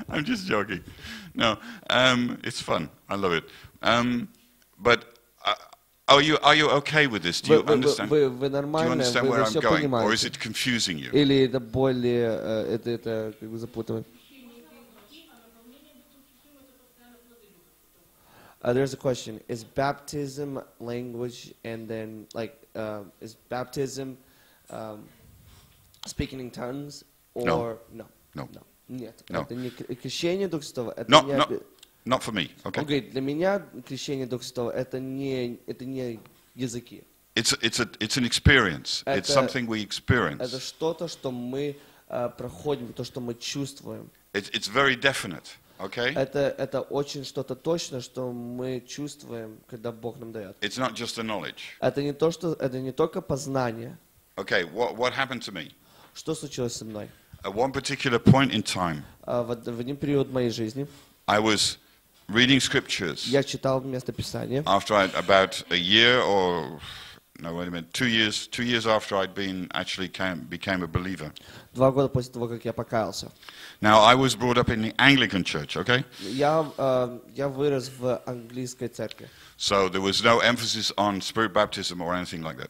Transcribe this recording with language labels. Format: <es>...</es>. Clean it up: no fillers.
<en>I'm just joking. No, it's fun. I love it. But are you okay with this? Do you understand?</en> <ru>Вы нормально?</ru> <en>Do you understand where I'm going,</en> <ru>понимаете?</ru> <en>Or is it confusing you?</en> <ru>Или это более это как бы запутывает?</ru> <en>There's a question: is baptism language, and then like, is baptism speaking in tongues, or no? No. No. No.</en> <ru>Нет.</ru> <en>No. No. Not for me. Okay.</en> <ru>Крещение Духа Святого это не языки.</ru> <en>It's an experience. It's something we experience.</en> <ru>Это что-то, что мы проходим, то, что мы чувствуем.</ru> <en>It's very definite. Okay.</en> <ru>Это очень что-то точное, что мы чувствуем, когда Бог нам дает.</ru> <en>It's not just a knowledge.</en> <ru>Это не только познание.</ru> <en>Okay. What happened to me?</en> <ru>Что случилось со мной?</ru> <en>At one particular point in time.</en> <ru>В один период моей жизни.</ru> <en>I was reading scriptures.</en> <ru>Я читал местописание.</ru> <en>After about a year or No, wait a minute. Two years after I'd been actually became a believer.</en> <ru>2 года после того, как я покаялся.</ru> <en>Now I was brought up in the Anglican Church, okay?</en> <ru>Я вырос в английской церкви.</ru> <en>So there was no emphasis on spirit baptism or anything like that.</en>